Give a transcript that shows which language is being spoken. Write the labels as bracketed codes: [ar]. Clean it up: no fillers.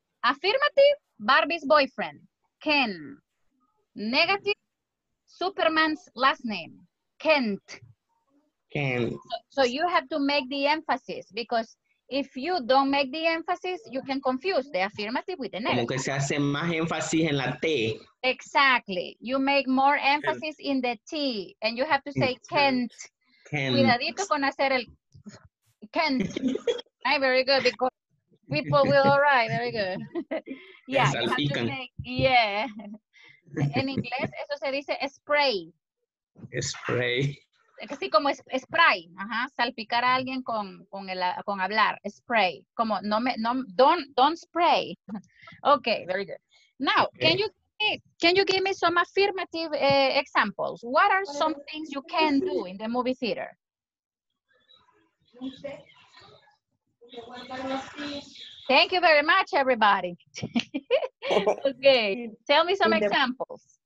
[en] Affirmative, Barbie's boyfriend, Ken. Negative, Superman's last name, Kent. Ken. So you have to make the emphasis, because if you don't make the emphasis, you can confuse the affirmative with the negative. [es] Como que se hace más énfasis en la T. [en] Exactly. You make more emphasis in the T, and you have to say Kent. Kent. [es] Cuidadito con hacer el Kent. [en] Right, very good, because people will arrive, very good. Yeah, you have to say, yeah. [es] En inglés, eso se dice spray. [en] Spray. [es] Así como spray, ajá, salpicar a alguien con hablar, spray. [en] Como, don't spray. Okay, very good. Now, can you give me some affirmative examples? What are some things you can do in the movie theater? Thank you very much, everybody. Okay, tell me some examples.